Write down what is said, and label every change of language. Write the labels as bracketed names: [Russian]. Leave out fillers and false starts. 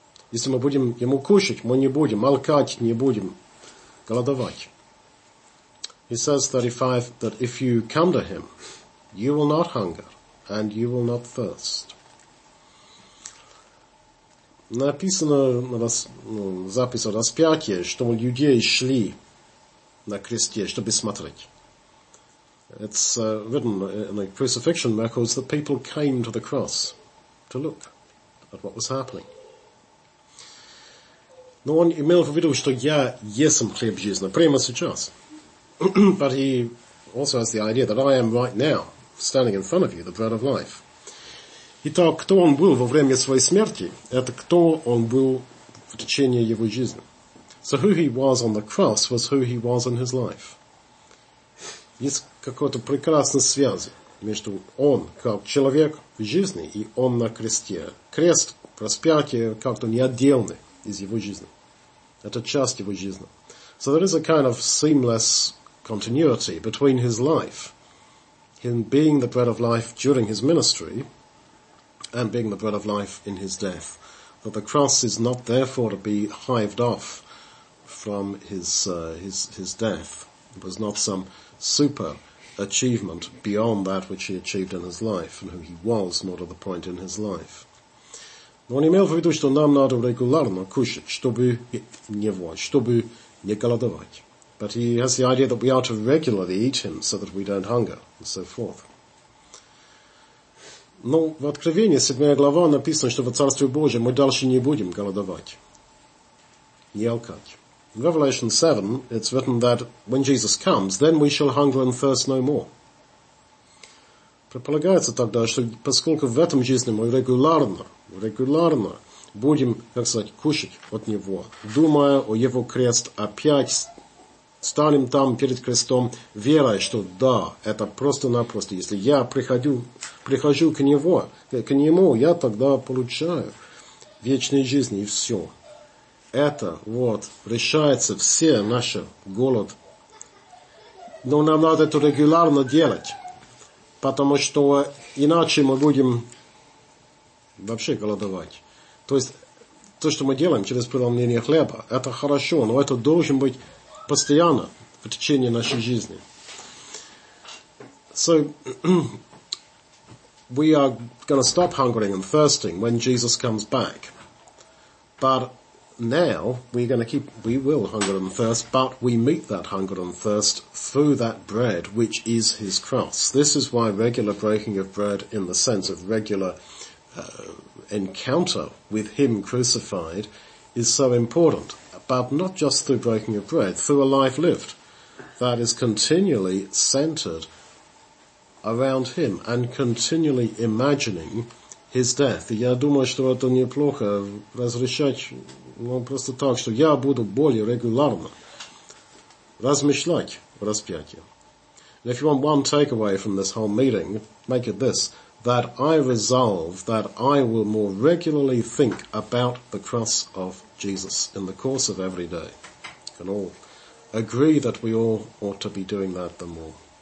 [Russian] Если мы будем ему кушать, мы не будем молкать, не будем голодовать. [English] He says 35 that if you come to him, you will not hunger and you will not thirst. [Russian] Написано на вас, ну, запись о распятии, что людей шли на кресте, чтобы смотреть. [English] It's written in the crucifixion records that people came to the cross to look at what was happening. [Russian] Но он имел в виду, что я есмь хлеб жизни прямо сейчас. [English] But he also has the idea that I am right now standing in front of you, the bread of life. [Russian] Итак, кто он был во время своей смерти, это кто он был в течение его жизни. [English] So who he was on the cross was who he was in his life. [Russian] Есть какая-то прекрасная связь между он как человек в жизни и он на кресте. Крест, распятие как-то неотделены из его жизни. Это часть его жизни. [English] So there is a kind of seamless continuity between his life, him being the bread of life during his ministry, and being the bread of life in his death. That the cross is not therefore to be hived off from his death. It was not some super achievement beyond that which he achieved in his life and who he was, not at the point in his life. [Russian] Но он имел в виду, что нам надо регулярно кушать, чтобы не голодовать. [English] But he has the idea that we are to regularly eat him so that we don't hunger, and so forth. [Russian] Но в Откровении 7 глава написано, что в Царстве Божьем мы дальше не будем голодовать, не алкать. [English] In Revelation 7, it's written that when Jesus comes, then we shall hunger and thirst no more. [Russian] Предполагается тогда, что поскольку в этом жизни мы регулярно будем, как сказать, кушать от Него, думая о Его крест, опять станем там перед крестом, веря, что да, это просто-напросто. Если я прихожу к Нему, я тогда получаю вечную жизнь и все. Это вот решается все наши голод. Но нам надо это регулярно делать, потому что иначе мы будем вообще голодовать. То есть то, что мы делаем через преломление хлеба, это хорошо, но это должен быть постоянно в течение нашей жизни. [English] So we are going to stop hungering and thirsting when Jesus comes back. But now we will hunger and thirst, but we meet that hunger and thirst through that bread which is his cross. This is why regular breaking of bread in the sense of regular encounter with him crucified is so important. But not just through breaking of bread, through a life lived that is continually centered around him and continually imagining his death. [Russian] Я думаю, что это неплохо разрешать, ну, просто так, что я буду более регулярно размышлять о распятии. [English] And if you want one takeaway from this whole meeting, make it this, that I resolve that I will more regularly think about the cross of Jesus in the course of every day. We can all agree that we all ought to be doing that the more.